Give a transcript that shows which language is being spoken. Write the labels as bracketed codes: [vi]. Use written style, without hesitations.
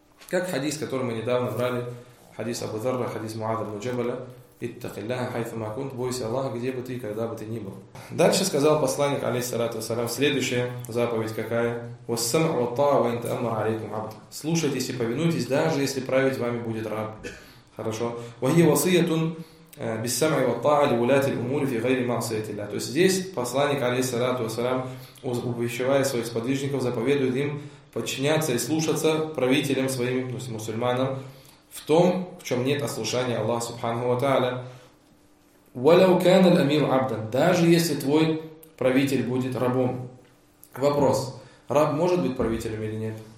[ru] Как хадис, который мы недавно брали, хадис Абу Дзарра, хадис Муаза ибн Джабаля: [ar] «Иттаки Аллаха хайфу ма кунт», [ru] бойся Аллаха, где бы ты, когда бы ты ни был. Дальше сказал посланник, алейхиссалату вассалям, следующая заповедь какая: [ar] «Вассам'у ват-та'а ва ин та'ммара алейкум 'абд». [ru] Слушайтесь и повинуйтесь, даже если править вами будет раб. Хорошо. [ar] وهي وصية بالسمع والطاعة لولاة الأمور في غير معصية الله. [ru] То есть здесь посланник, алейхиссалату вассалям, увещевая своих сподвижников, заповедует им подчиняться и слушаться правителям своим, то есть мусульманам, в том, в чем нет ослушания Аллаха Субханаху ва Тааля. [ar] وَلَوْ كَانَ الْأَمِيرُ عَبْدًا. [ru] Даже если твой правитель будет рабом. Вопрос: раб может быть правителем или нет?